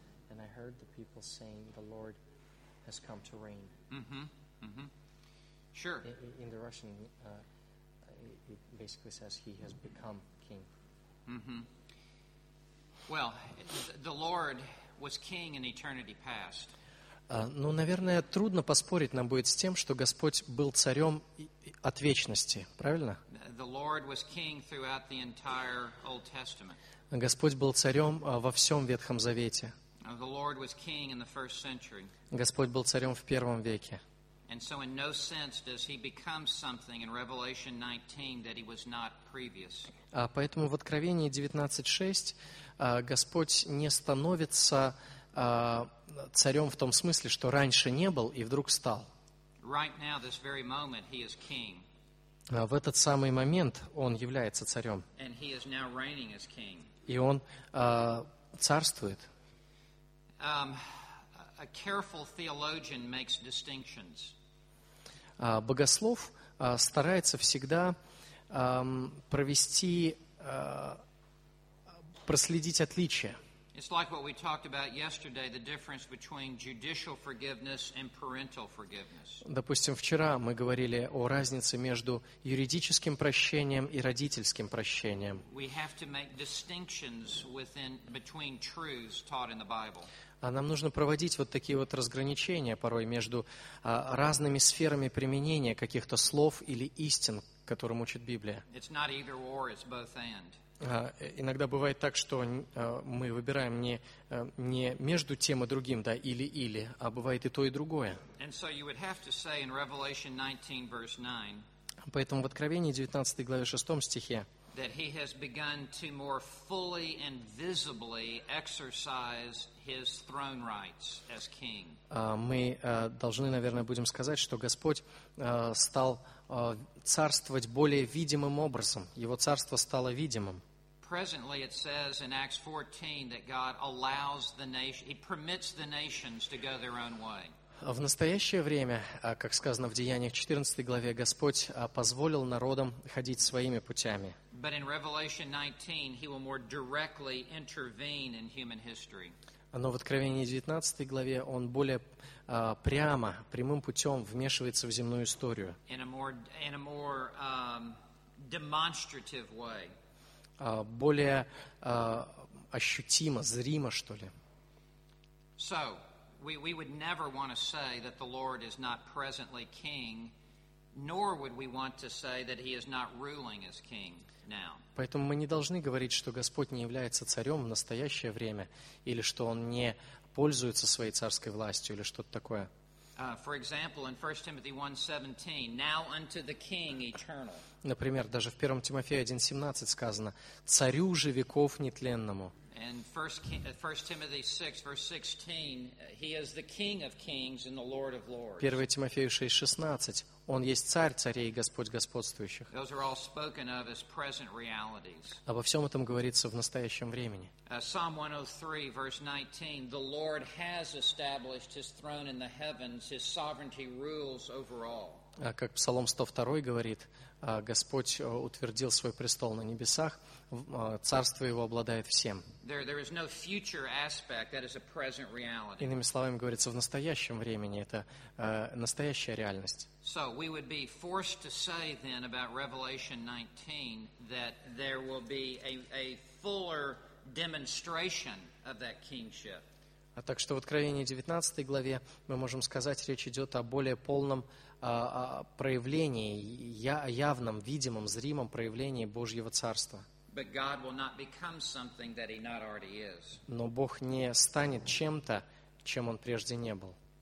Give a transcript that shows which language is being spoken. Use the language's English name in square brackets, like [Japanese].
[English] And I heard the people saying, "The Lord has come to reign." Sure. In the Russian, it basically says, "He has become king." Well, the Lord was king in eternity past. [Russian] Ну, наверное, трудно поспорить нам будет с тем, что Господь был царем от вечности, правильно? [English] The Lord was king throughout the entire Old Testament. [Russian] Господь был царем во всем Ветхом Завете. [English] The Lord was king in the first century. [Russian] Господь был царем в первом веке. [English] And so in no sense does he become something in Revelation 19 that he was not previous. [Russian] Поэтому в Откровении 19:6 Господь не становится царем в том смысле, что раньше не был и вдруг стал. [English] Right now, this very moment, he is king. [Russian] В этот самый момент он является царем. [English] And he is now reigning as king. [Russian] И он царствует. [English] A careful theologian makes distinctions. [Russian] Богослов старается всегда провести, проследить отличия. [English] It's like what we talked about yesterday, the difference between judicial forgiveness and parental forgiveness. [Russian] Допустим, вчера мы говорили о разнице между юридическим прощением и родительским прощением. [English] We have to make distinctions within between truths taught in the Bible. [Russian] А нам нужно проводить вот такие вот разграничения порой между разными сферами применения каких-то слов или истин, которым учит Библия. [English] It's not either or, it's both and. [Russian] Иногда бывает так, что мы выбираем не между тем и другим, да, или-или, а бывает и то, и другое. [English] And so you would have to say in Revelation 19, verse 9, [Russian] поэтому в Откровении 19 главе 6 стихе, [English] that he has begun to more fully and visibly exercise his throne rights as king. [Russian] Мы должны, наверное, будем сказать, что Господь стал царствовать более видимым образом. Его царство стало видимым. [English] Presently it says in Acts 14 that God allows the nation, he permits the nations to go their own way. [Russian] В настоящее время, как сказано в Деяниях 14 главе, Господь позволил народам ходить своими путями. [English] But in Revelation 19, he will more directly intervene in human history. [Russian] Но в Откровении 19 главе он более прямо, прямым путем вмешивается в земную историю. [English] In a more demonstrative way. [Russian] Более ощутимо, зримо, что ли. [English] So, we would never want to say that the Lord is not presently king, nor would we want to say that he is not ruling as king now. [Russian] Поэтому мы не должны говорить, что Господь не является царем в настоящее время, или что он не пользуется своей царской властью, или что-то такое. [English] For example, in 1 Timothy 1:17, now unto the king eternal. [Russian] Например, даже в 1 Тимофея 1:17 сказано: царю же веков нетленному. [English] And 1 Timothy 6:16, he is the king of kings and the lord of lords. [Russian] 1 Тимофею 6:16, он есть царь царей и Господь господствующих. [English] Those are all spoken of as present realities. [Russian] Обо всем этом говорится в настоящем времени. [English] Psalm 103:19, the lord has established his throne in the heavens, his sovereignty rules over all. [Russian] Как Псалом 102 говорит, Господь утвердил свой престол на небесах, царство его обладает всем. [English] There is no future aspect that is a present reality. [Russian] Иными словами, говорится, в настоящем времени это настоящая реальность. [English] So we would be forced to say then about Revelation 19 that there will be a fuller demonstration of that kingship. [Russian] А так что в Откровении 19 главе мы можем сказать, речь идет о более полном проявлении, явном, видимом, зримом проявлении Божьего Царства. Но Бог не станет чем-то, чем Он прежде не был.